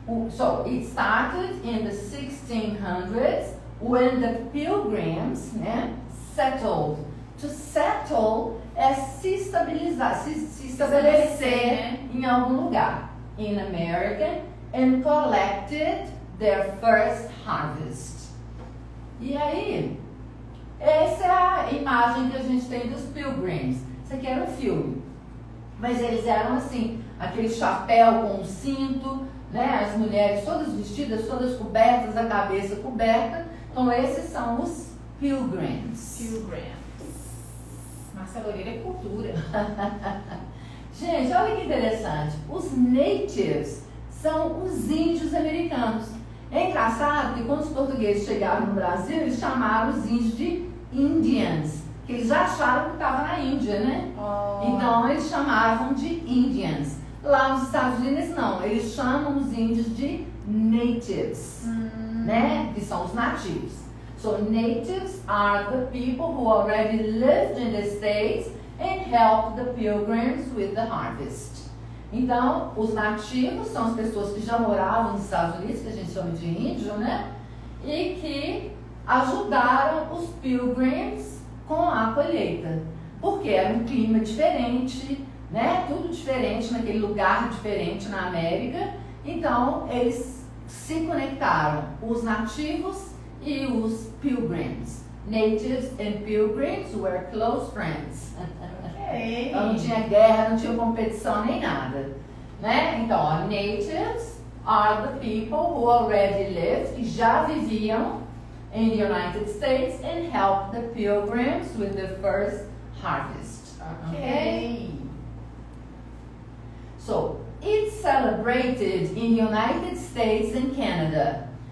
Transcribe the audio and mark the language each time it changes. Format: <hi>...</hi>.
<en>So, it started in the 1600s when the pilgrims, né, settled. To settle</en> <pt>é se estabilizar, se estabelecer, né, em algum lugar.</pt> <en>In America, and collected their first harvest.</en> <pt>E aí, essa é a imagem que a gente tem dos Pilgrims. Isso aqui era um filme. Mas eles eram assim, aquele chapéu com um cinto, né? As mulheres todas vestidas, todas cobertas, a cabeça coberta. Então, esses são os Pilgrims. Pilgrims. Marcia Loureiro é cultura. Gente, olha que interessante. Os natives são os índios americanos. É engraçado que quando os portugueses chegaram no Brasil, eles chamaram os índios de Indians, que eles acharam que estava na Índia, né? Oh. Então eles chamavam de Indians. Lá nos Estados Unidos, não, eles chamam os índios de Natives, né? Que são os nativos.</pt> <en>So, Natives are the people who already lived in the States and helped the pilgrims with the harvest.</en> <pt>Então, os nativos são as pessoas que já moravam nos Estados Unidos, que a gente chama de índio, né? E que ajudaram os pilgrims com a colheita. Porque era um clima diferente, né? Tudo diferente naquele lugar diferente na América. Então, eles se conectaram, os nativos e os pilgrims.</pt> <en>Natives and pilgrims were close friends.</en> <pt>Então, não tinha guerra, não tinha competição nem nada, né?</pt> <en>Então, natives are the people who already lived,</en> <pt>que já viviam</pt> <en>in the United States and helped the pilgrims with the first harvest. Okay. So, it's celebrated in the United States and Canada.</en>